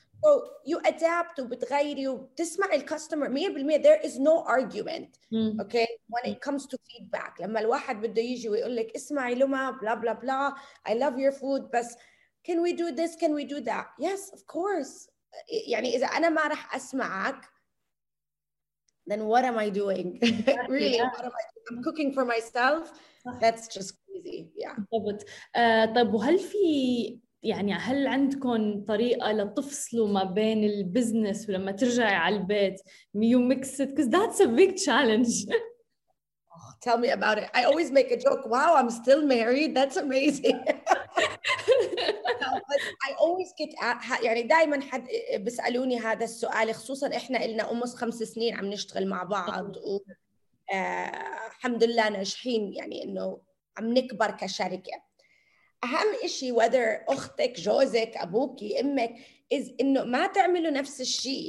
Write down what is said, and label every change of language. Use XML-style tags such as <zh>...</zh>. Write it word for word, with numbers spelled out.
<en>so you adapt</en> <ar>وبتغيري وبتسمع الكاستمر مية بالمية.</ar> <en>there is no argument okay when it comes to feedback.</en> <ar>لما الواحد بده يجي ويقول لك اسمعي لما بلا بلا</ar> <en>Blah I love your food بس can we do this can we do that yes of course.</en> <ar>يعني إذا أنا ما رح أسمعك</ar> <en>then what am I doing really what am I doing? I'm cooking for myself that's just crazy yeah.</en> <ar>بالضبط. آه طب وهل في يعني هل عندكم طريقة لتفصلوا ما بين البزنس ولما ترجعي على البيت</ar> <en>you mix it because that's a big challenge. oh, tell me about it. I always make a joke wow I'm still married that's amazing. no, but I always get at,</en> <ar>يعني دايما حد بيسألوني هذا السؤال خصوصا إحنا إلنا أمس خمس سنين عم نشتغل مع بعض و آه، الحمد لله ناجحين يعني إنه عم نكبر كشركة. أهم إشي whether أختك جوزك أبوكي أمك إز إنه ما تعملوا نفس الشيء.</ar>